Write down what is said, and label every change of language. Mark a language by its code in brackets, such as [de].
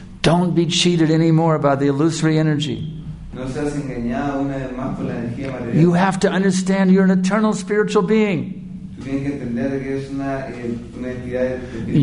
[en] Don't be cheated anymore by the illusory energy. [es] No seas engañado una vez más por la energía material. [en] You have to understand you're an eternal spiritual being. [es] Tú tienes que entender que eres una entidad espiritual.